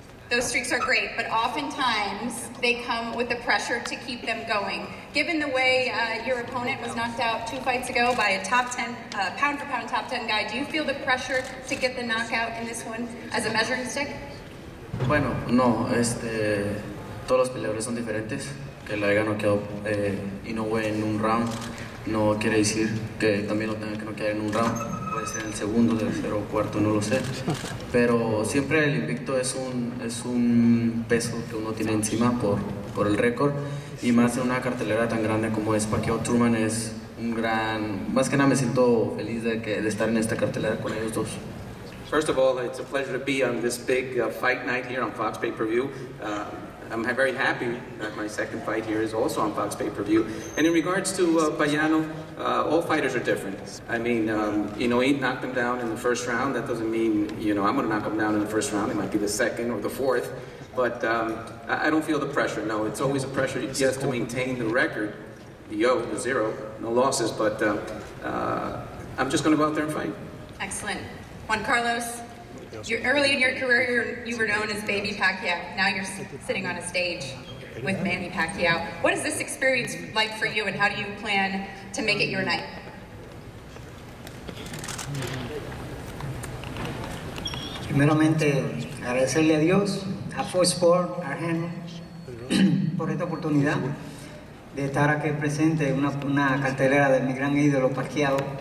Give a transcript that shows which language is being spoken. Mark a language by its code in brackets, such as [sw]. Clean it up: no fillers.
[en] Those streaks are great, but oftentimes they come with the pressure to keep them going. Given the way your opponent was knocked out two fights ago by a top 10, pound for pound top 10 guy, do you feel the pressure to get the knockout in this one as a measuring stick? [es] Bueno, no, todos los peleadores son diferentes. Que la haya noqueado [en] in a way [es] en un round no quiere decir que también lo tenga que noquear en un round. En el segundo, tercero, cuarto, no lo sé. Pero siempre el invicto es un peso que uno tiene encima por el récord. Y más en una cartelera tan grande como es Pacquiao Thurman, es un gran... Más que nada me siento feliz de estar en esta cartelera con ellos dos. [en] First of all, it's a pleasure to be on this big fight night here on Fox Pay-Per-View. I'm very happy that my second fight here is also on Fox Pay-Per-View. And in regards to Payano, all fighters are different. I mean, you know, he knocked him down in the first round. That doesn't mean, you know, I'm going to knock him down in the first round. It might be the second or the fourth. But I don't feel the pressure. No, it's always a pressure, yes, to maintain the record, the zero, no losses. But I'm just going to go out there and fight. Excellent. Juan Carlos, early in your career, you were known as Baby Pacquiao. Now you're sitting on a stage with Manny Pacquiao. What is this experience like for you, and how do you plan to make it your night? [es] Primeramente, agradecerle a Dios, a Fox Sports, a Gen, por esta oportunidad de estar aquí presente en una cartelera de mi gran ídolo Pacquiao.